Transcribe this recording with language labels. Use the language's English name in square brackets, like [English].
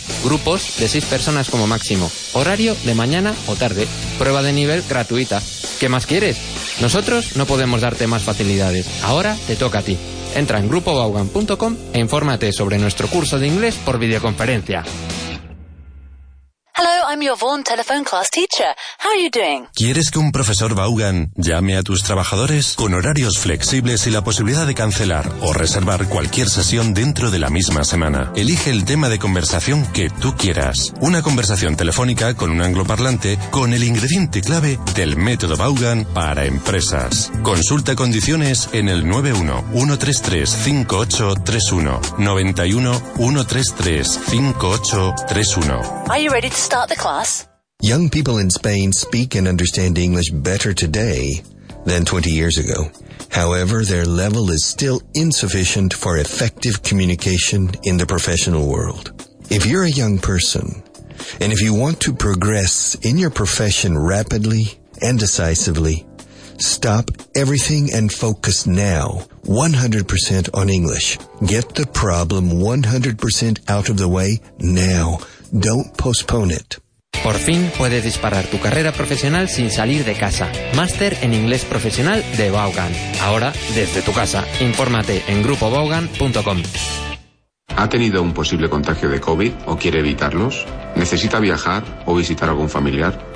[Spanish] Grupos de 6 personas como máximo. Horario de mañana o tarde. Prueba de nivel gratuita. ¿Qué más quieres? Nosotros no podemos darte más facilidades. Ahora te toca a ti. Entra en grupovaughan.com e infórmate sobre nuestro curso de inglés por videoconferencia. [English] Hello, I'm your Vaughan telephone class teacher. How are you doing? [Spanish] ¿Quieres que un profesor Vaughan llame a tus trabajadores? Con horarios flexibles y la posibilidad de cancelar o reservar cualquier sesión dentro de la misma semana. Elige el tema de conversación que tú quieras. Una conversación telefónica con un angloparlante con el ingrediente clave del método Vaughan para empresas. Consulta condiciones en el 91-133-5831. 91-133-5831. [English] Are you ready to start the class? Young people in Spain speak and understand English better today than 20 years ago. However, their level is still insufficient for effective communication in the professional world. If you're a young person, and if you want to progress in your profession rapidly and decisively, stop everything and focus now 100% on English. Get the problem 100% out of the way now. Don't postpone it. [Spanish] Por fin puedes disparar tu carrera profesional sin salir de casa. Máster en inglés profesional de Vaughan. Ahora desde tu casa. Infórmate en grupovaughan.com. ¿Ha tenido un posible contagio de COVID o quiere evitarlos? ¿Necesita viajar o visitar a algún familiar?